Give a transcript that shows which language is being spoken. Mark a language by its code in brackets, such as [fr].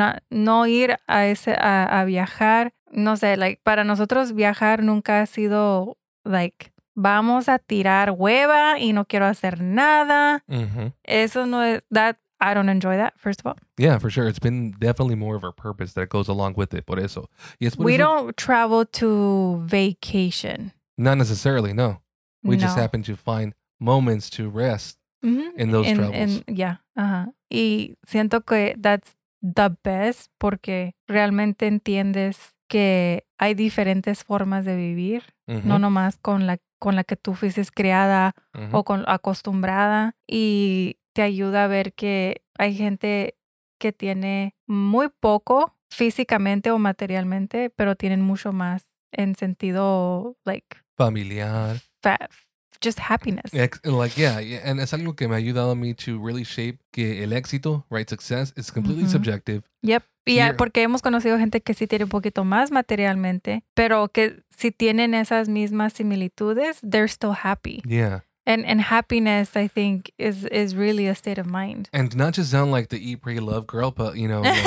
[es] No ir a viajar, no sé, para nosotros viajar nunca ha sido vamos a tirar hueva y no quiero hacer nada. Mm-hmm. Eso no es, [en] I don't enjoy that, first of all. Yeah, for sure. It's been definitely more of a purpose that goes along with it, por eso. Yes, we don't travel to vacation. Not necessarily, no. We just happen to find moments to rest. Mm-hmm. [es] Y siento que [en] that's the best [es] porque realmente entiendes que hay diferentes formas de vivir, mm-hmm. no nomás con la que tú fuiste criada mm-hmm. o con acostumbrada, y te ayuda a ver que hay gente que tiene muy poco físicamente o materialmente, pero tienen mucho más en sentido familiar. [en] Just happiness. And it's [es] algo que me ha ayudado a mí [en] to really shape [es] que el éxito, [en] right, success, is completely mm-hmm. subjective. Yep. [es] Yeah, porque hemos conocido gente que sí tiene un poquito más materialmente, pero que si tienen esas mismas similitudes, [en] they're still happy. Yeah. And happiness, I think, is really a state of mind. And not just sound like the eat, pray, love girl, but, you know.